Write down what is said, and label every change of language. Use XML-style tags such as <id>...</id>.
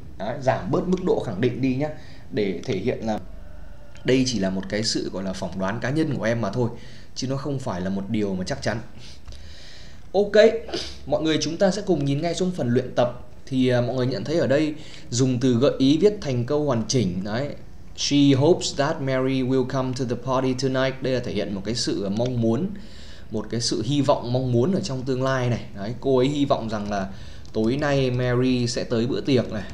<vi>Đấy, giảm bớt mức độ khẳng định đi nhá, để thể hiện là đây chỉ là một cái sự gọi là phỏng đoán cá nhân của em mà thôi, chứ nó không phải là một điều mà chắc chắn. Ok, mọi người chúng ta sẽ cùng nhìn ngay xuống phần luyện tập. Thì mọi người nhận thấy ở đây dùng từ gợi ý viết thành câu hoàn chỉnh.</vi> <en>Đấy, she hopes that Mary will come to the party tonight.</en> <vi>Đây là thể hiện một cái sự mong muốn, một cái sự hy vọng mong muốn ở trong tương lai này. Đấy, cô ấy hy vọng rằng là tối nay Mary sẽ tới bữa tiệc này.</vi>